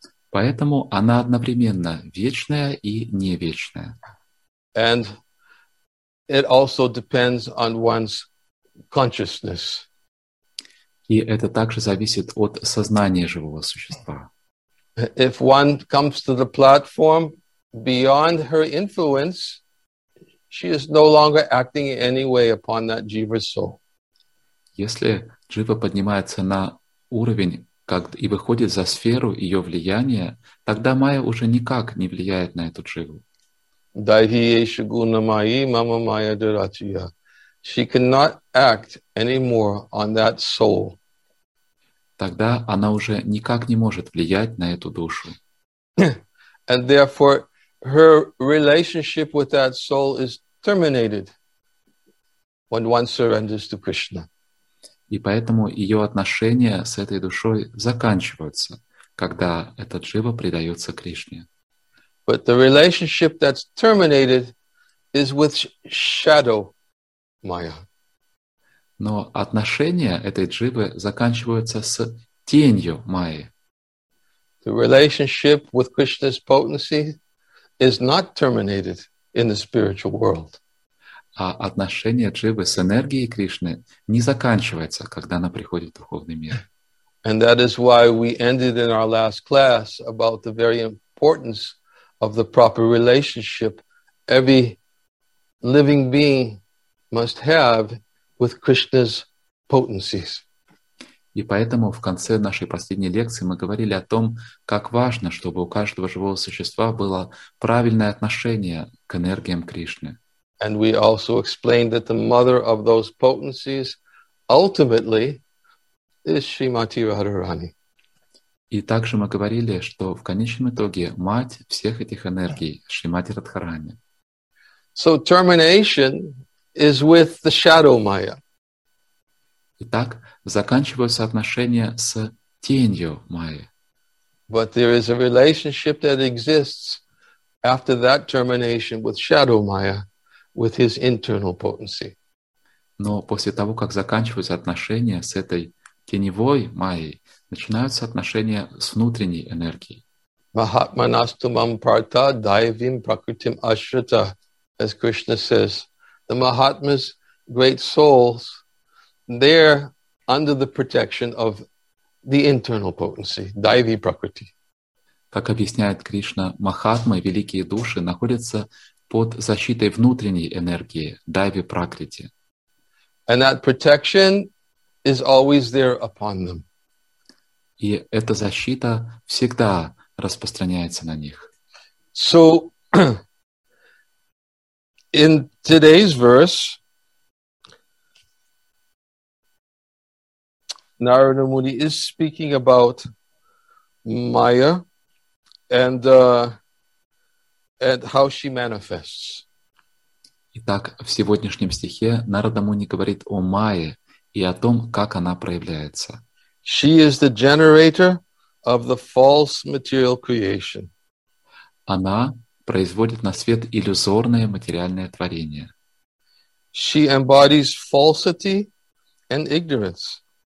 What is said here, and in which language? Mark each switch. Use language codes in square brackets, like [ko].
[ru] Поэтому она одновременно вечная и не вечная. [en] And it also depends on one's consciousness. [ru] И это также зависит от сознания живого существа. [en] If one comes to the platform beyond her influence, she is no longer acting in any way upon that jiva soul. [ru] Если джива поднимается на уровень как и выходит за сферу ее влияния, тогда майя уже никак не влияет на эту дживу. [sa] Дайхиеши гуна майи мама майя дурачия. [en] She cannot act anymore on that soul. [ru] Тогда она уже никак не может влиять на эту душу. [en] And therefore, her relationship with that soul is terminated when one surrenders to Krishna. [ru] И поэтому ее отношения с этой душой заканчиваются, когда эта джива предается Кришне. [en] But the relationship that's terminated is with shadow Maya. [ru] Но отношения этой дживы заканчиваются с тенью Майи. [en] The relationship with Krishna's potency is not terminated in the spiritual world. [ru] А отношение дживы с энергией Кришны не заканчивается, когда она приходит в духовный мир. [en] And that is why we ended in our last class about the very importance of the proper relationship every living being must have with Krishna's potencies. [ru] И поэтому в конце нашей последней лекции мы говорили о том, как важно, чтобы у каждого живого существа было правильное отношение к энергиям Кришны. [en] And we also explained that the mother of those potencies ultimately is Srimati Radharani. [ru] И также мы говорили, что в конечном итоге мать всех этих энергий Шримати Радхарани. [en] So termination is with the shadow maya. [ru] Итак, заканчиваются отношения с тенью майя. [en] But there is a relationship that exists after that termination with shadow maya, with his internal potency. [ru] Но после того, как заканчиваются отношения с этой теневой майей, начинаются отношения с внутренней энергией. [sa] Mahatmanastumam partha daivim prakritim ashrita, [en] as Krishna says. The Mahatmas, great souls, they're under the protection of the internal potency, daivi prakriti. [ru] Как объясняет Кришна, Махатмы, великие души, находятся под защитой внутренней энергии, дайви пракрити. [en] And that protection is always there upon them. [ru] И эта защита всегда распространяется на них. [en] So, in today's verse, Narada Muni is speaking about Maya and how she manifests. [ru] Итак, в сегодняшнем стихе Нарада Муни говорит о Майе и о том, как она проявляется. [en] She is the generator of the false material creation. [ru] Она производит на свет иллюзорное материальное творение. [en] She embodies falsity and ignorance.